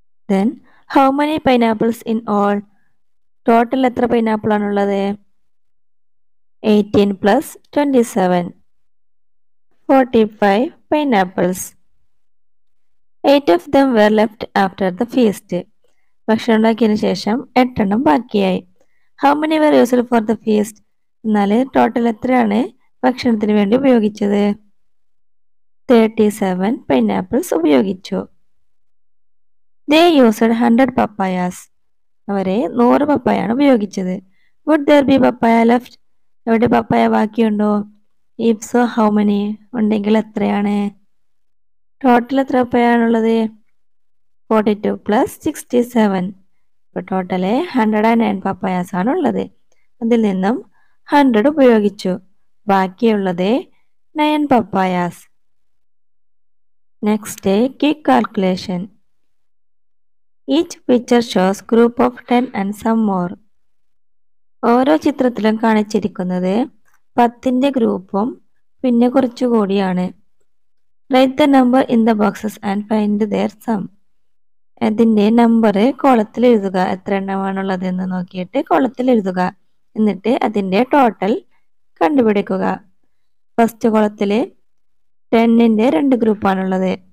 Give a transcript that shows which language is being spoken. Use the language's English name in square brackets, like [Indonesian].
[English] Then how many pineapples in all? [Malayalam] Total ethra pineapple aanu ullathu? [English] 18 plus 27. 45 pineapples. 8 of them were left after the feast. [Malayalam] ഭക്ഷണം ഉണ്ടാക്കിയതിന് ശേഷം 8 എണ്ണം ബാക്കിയായി. [English] How many were used for the feast? [Malayalam] എന്നാല് total എത്രയാണ് ഭക്ഷണത്തിന് വേണ്ടി ഉപയോഗിച്ചത്? 37 pineapples ഉപയോഗിച്ചു. [English] They used 100 papayas. [Malayalam] അവരെ 100 പപ്പായാണ് ഉപയോഗിച്ചത്. [English] Would there be papaya left? [Malayalam] അവിടെ പപ്പായ ബാക്കിയുണ്ടോ? [English] If so, how many? [Malayalam] ഉണ്ടെങ്കിൽ എത്രയാണ്? ടോട്ടൽ എത്ര പപ്പായാണുള്ളത്? 42 പ്ലസ് 67. ഇപ്പോൾ ടോട്ടല് 109 പപ്പായാസ് ആണ് ഉള്ളത്. അതിൽ നിന്നും 100 ഉപയോഗിച്ചു. ബാക്കിയുള്ളത് 9 പപ്പായാസ്. [English] Next day, quick calculation. Each picture shows group of 10 and some more. [Malayalam] ഓരോ ചിത്രത്തിലും കാണിച്ചിരിക്കുന്നത് 10 ഗ്രൂപ്പും പിന്നെ കുറച്ചുകൂടിയാണ്. [English] Write the number in the boxes and find their sum. [Malayalam] അതിൻ്റെ നമ്പർ കോളത്തിൽ എഴുതുക. എത്ര എണ്ണമാണുള്ളത് എന്ന് നോക്കിയിട്ട് കോളത്തിൽ എഴുതുക. എന്നിട്ട് അതിൻ്റെ ടോട്ടൽ കണ്ടുപിടിക്കുക. ഫസ്റ്റ് കോളത്തിൽ 10 രണ്ട് ഗ്രൂപ്പാണുള്ളത്.